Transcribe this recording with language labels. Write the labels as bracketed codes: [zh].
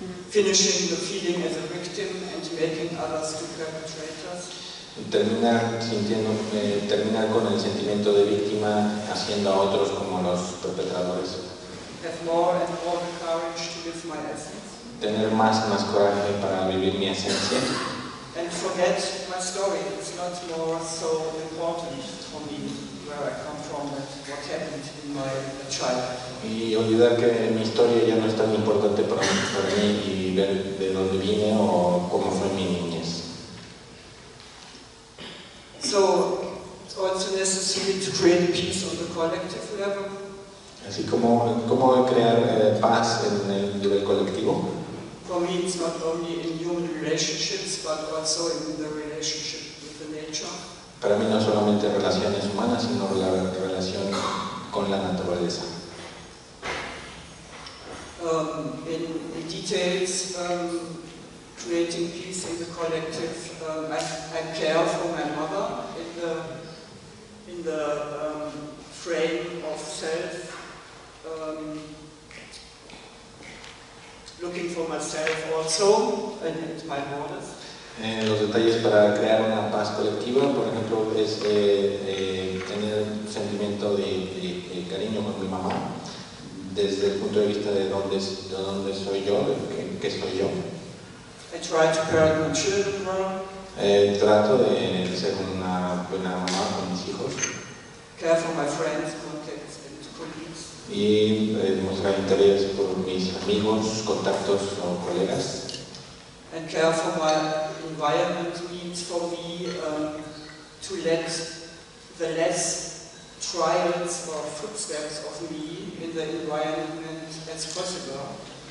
[en] Finishing the feeling as a victim and making others to perpetrators. [es] Terminar con el sentimiento de víctima haciendo a otros como los perpetradores. [en] Have more and more courage to live my essence. [es] Tener más y más coraje para vivir mi esencia. [en] And forget my story. It's not more so important for me where I come from and what happened in my childhood. [es] Y olvidar que mi historia ya no es tan importante para mí y ver de dónde vine o cómo fue mi niñez. [en] So it's also necessary to create peace on the collective level. [es] Así como crear paz en el nivel colectivo. [en] For me, it's not only in human relationships, but also in the relationship with the nature. [es] Para mí no solamente relaciones humanas, sino la relación con la naturaleza. [en] In details. Creating peace in the collective. I care for my mother in the frame of self, looking for myself also and my borders. [es] Los detalles para crear una paz colectiva, por ejemplo, es tener sentimiento de cariño con mi mamá, desde el punto de vista de dónde soy yo, de qué soy yo. [en] I try to parent my children well. [es] Trato de ser una buena mamá con mis hijos. [en] Care for my friends, contacts, and colleagues. [es] Y mostrar interés por mis amigos, contactos o colegas. [en] And care for my environment means for me to let the less trials or footsteps of me in the environment as possible.